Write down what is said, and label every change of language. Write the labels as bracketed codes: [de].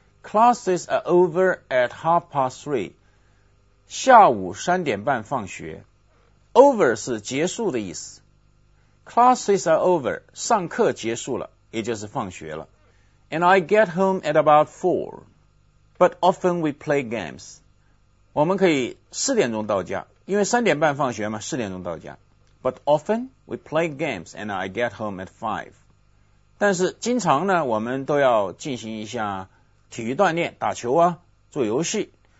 [en] Classes are over at 3:30. [zh] 下午3:30放学 ,over 是结束的意思。 [en] Classes are over, [zh] 上课结束了也就是放学了。 [en] And I get home at about 4, but often we play games. [zh] 我们可以4:00到家，因为3:30放学嘛，4:00到家。 [en] But often we play games and I get home at 5. [zh] 但是经常呢，我们都要进行一下体育锻炼，打球啊，做游戏。